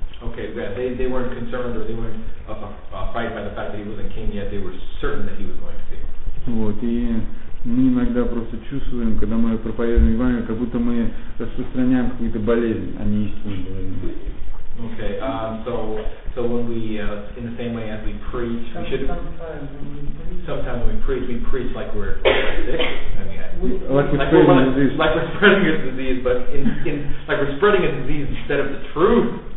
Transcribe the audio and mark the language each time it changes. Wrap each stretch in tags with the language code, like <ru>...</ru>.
<en>Okay, yeah, they weren't concerned or they weren't fight by the fact that he wasn't king yet. They were certain that he was going to be.</en> <ru>Вот, и мы иногда просто чувствуем, когда мы проповедуем Евангелие, как будто мы распространяем какую-то болезнь, а не истинную болезнь.</ru> <en>Okay, so when we in the same way as we preach, we should sometimes when we preach like we're sick. Like we're spreading a disease, but in like we're spreading a disease instead of the truth.</en>